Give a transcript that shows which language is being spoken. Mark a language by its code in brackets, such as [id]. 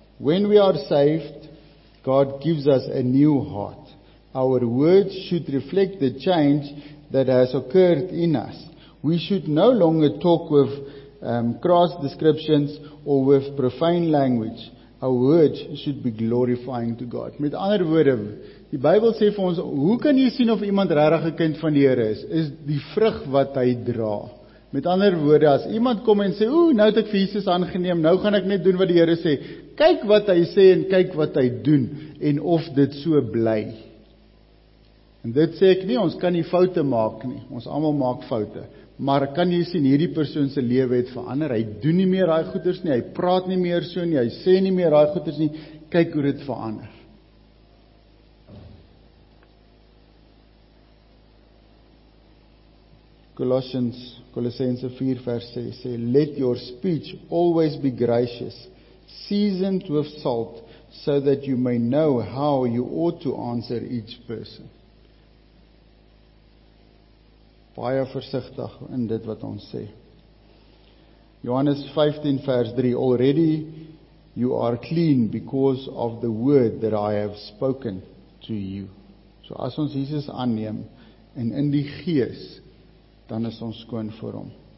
[en] When we are saved, God gives us a new heart. Our words should reflect the change that has occurred in us. We should no longer talk with cross descriptions or with profane language. Our words should be glorifying to God. [af] Met ander woorde, die Bybel sê vir ons, hoe kan jy sien of iemand regtig 'n kind van die Here is? Is die vrug wat hy dra. Met ander woorde, as iemand kom en sê, oeh, nou het ek vir Jesus aangeneem, nou gaan ek net doen wat die Here sê, kyk wat hy sê en kyk wat hy doen, en of dit so bly. En dit sê ek nie, ons kan nie foute maak nie, ons allemaal maak foute, maar kan jy sien, hierdie persoon se lewe het verander, hy doen nie meer raai goeders nie, hy praat nie meer so nie, hy sê nie meer raai goeders nie, kyk hoe dit verander. [en] Colossians 4 verse 6 say, let your speech always be gracious, seasoned with salt, so that you may know how you ought to answer each person. [af] Baie versigtig in dit wat ons sê. [en] Johannes 15 verse 3, already you are clean because of the word that I have spoken to you. [af] So as ons Jesus aanneem en in die gees, dan is ons skoon vir hom.